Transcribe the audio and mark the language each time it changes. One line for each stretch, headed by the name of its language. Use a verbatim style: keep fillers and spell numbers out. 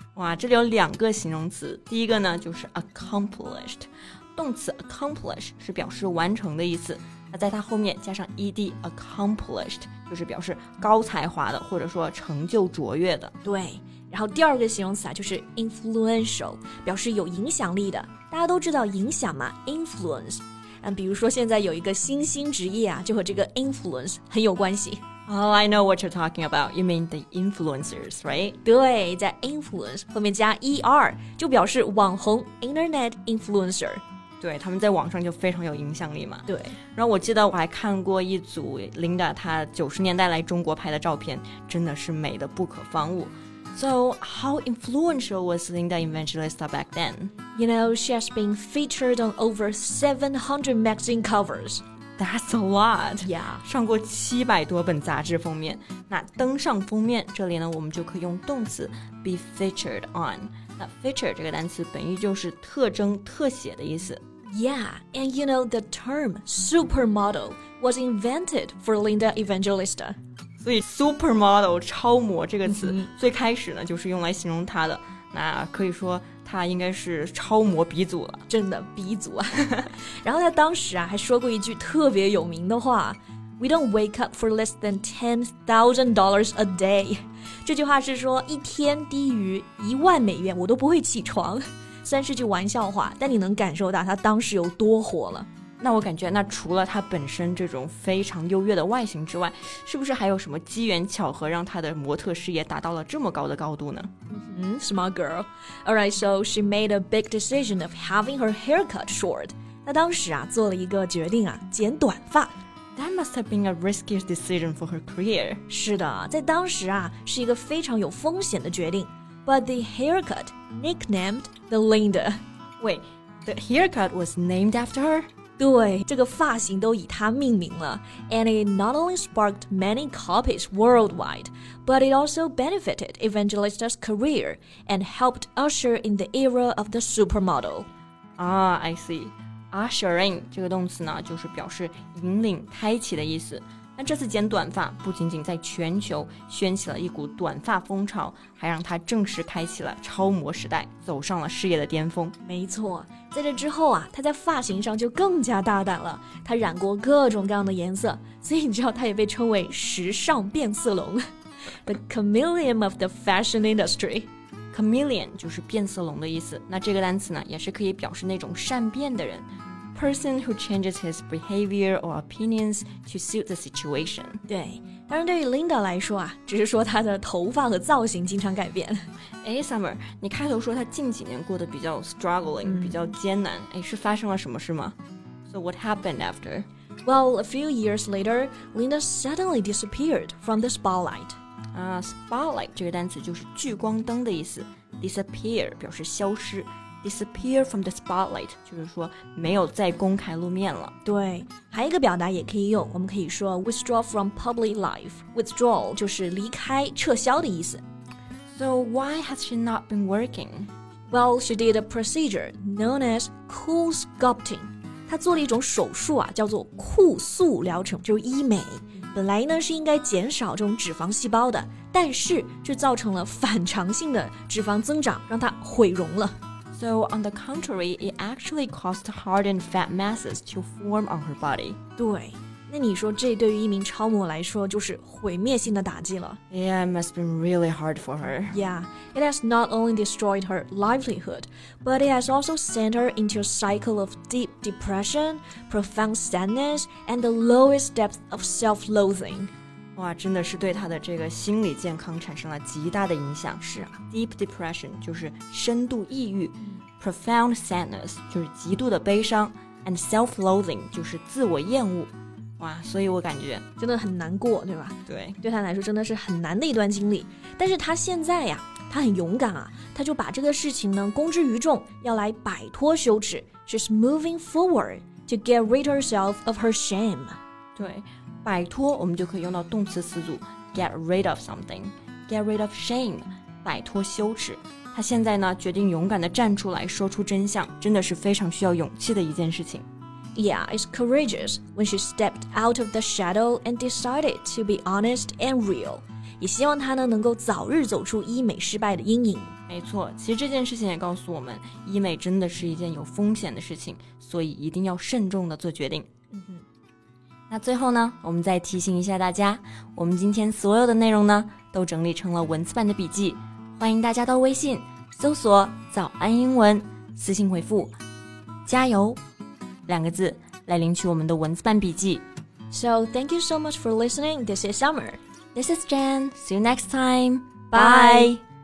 Chinese: 哇，这里有两个形容词，第一个呢就是 accomplished， 动词 accomplish 是表示完成的意思，那在它后面加上 ed accomplished 就是表示高才华的，或者说成就卓越的。对。然后第二个形容词啊，就是 influential， 表示有影响力的。大家都知道影响嘛 ，influence。嗯，比如说现在有一个新兴职业啊，就和这个 influence 很有关系。
English: Oh, I know what you're talking about. You mean the influencers, right?
Chinese: 对，在 influence 后面加 er 就表示网红 ，internet influencer。对，他们在网上就非常有影响力嘛。对。然后我记得我还看过一组 Linda 她九十年代来中国拍的照片，真的是美得不可方物。
English: So, how influential was Linda Evangelista back then? You know, she has been featured on over seven hundred magazine covers. That's a lot. Yeah.
Chinese: 上过七百多本杂志封面。那登上封面，这里呢，我们就可以用动词
English: be featured on.
Chinese: 那 feature 这个单词本意就是特征、特写的意思。
English: Yeah, and you know, the term supermodel was invented for Linda Evangelista.
Chinese: 所以 supermodel 超模这个词、嗯、最开始呢就是用来形容她的，那可以说她应该是超模鼻祖了，真的鼻祖啊。然后她当时啊还说过一句特别有名的话，
English: We don't wake up for less than ten thousand dollars a day.
Chinese: 这句话是说一天低于一万美元我都不会起床。虽然是句玩笑话，但你能感受到她当时有多火了。那我感觉，那除了它本身这种非常优越的外形之外，是不是还有什么机缘巧合让她的模特事业达到了这么高的高度呢？
English: Mm-hmm, smart girl. Alright, so she made a big decision of having her hair cut short.
Chinese: 她当时啊做了一个决定啊，剪短发。
English: That must have been a risky decision for her career.
Chinese: 是的，在当时啊是一个非常有风险的决定。
English: But the haircut, nicknamed the Linda. Wait, the haircut was named after her?
Chinese: 对，这个发型都以她命名了。
English: And it not only sparked many copies worldwide, but it also benefited Evangelista's career and helped usher in the era of the supermodel. Ah, I see.
Chinese: Usher in 这个动词呢，就是表示引领、开启的意思。那这次剪短发不仅仅在全球掀起了一股短发风潮，还让她正式开启了超模时代，走上了事业的巅峰。没错，在这之后啊，她在发型上就更加大胆了，她染过各种各样的颜色，所以你知道她也被称为时尚变色龙 ，
English: the chameleon of the fashion industry。
Chinese: Chameleon 就是变色龙的意思，那这个单词呢，也是可以表示那种善变的人。
English: Person who changes his behavior or opinions to suit the situation.
Chinese: 对，当然对于 Linda 来说啊，只是说她的头发和造型经常改变。哎 ，Summer， 你开头说她近几年过得比较 struggling，、嗯、比较艰难，哎，是发生了什么事吗 ？
English: So what happened after? Well, a few years later, Linda suddenly disappeared from the spotlight.
Chinese: 啊、uh, ，spotlight 这个单词就是聚光灯的意思 ，disappear 表示消失。
English: Disappear from the spotlight
Chinese: 就是说没有再公开露面了。对，还有一个表达也可以用，我们可以说
English: withdraw from public life.
Chinese: Withdrawal 就是离开、撤销的意思。
English: So why has she not been working? Well, she did a procedure known as cool sculpting.
Chinese: 她做了一种手术啊，叫做酷塑疗程，就是医美。本来呢是应该减少这种脂肪细胞的，但是却造成了反常性的脂肪增长，让它毁容了。
English: So, on the contrary, it actually caused hardened fat masses to form on her body.
Chinese: 对，那你说这对于一名超模来说就是毁灭性的打击了。
English: Yeah, it must have been really hard for her. Yeah, it has not only destroyed her livelihood, but it has also sent her into a cycle of deep depression, profound sadness, and the lowest depth of self-loathing.
Chinese: 哇，真的是对她的这个心理健康产生了极大的影响。是啊，deep depression 就是深度抑郁、嗯、，profound sadness 就是极度的悲伤 ，
English: and self-loathing
Chinese: 就是自我厌恶。哇，所以我感觉真的很难过，对吧？对，对她来说真的是很难的一段经历。但是她现在呀，她很勇敢啊，她就把这个事情呢公之于众，要来摆脱羞耻。
English: She's moving forward to get rid herself of her shame.
Chinese: 对。摆脱我们就可以用到动词词组
English: get rid of something, get rid of shame,
Chinese: 摆脱羞耻。她现在呢决定勇敢地站出来说出真相，真的是非常需要勇气的一件事情。
English: Yeah, it's courageous when she stepped out of the shadow and decided to be honest and real.
Chinese: 也希望她呢能够早日走出医美失败的阴影。没错，其实这件事情也告诉我们，医美真的是一件有风险的事情，所以一定要慎重地做决定。嗯那最后呢，我们再提醒一下大家，我们今天所有的内容呢，都整理成了文字版的笔记，欢迎大家到微信搜索早安英文，私信回复加油两个字来领取我们的文字版笔记。
English: So thank you so much for listening. This is Summer. This is Jen. See you next time. Bye. Bye.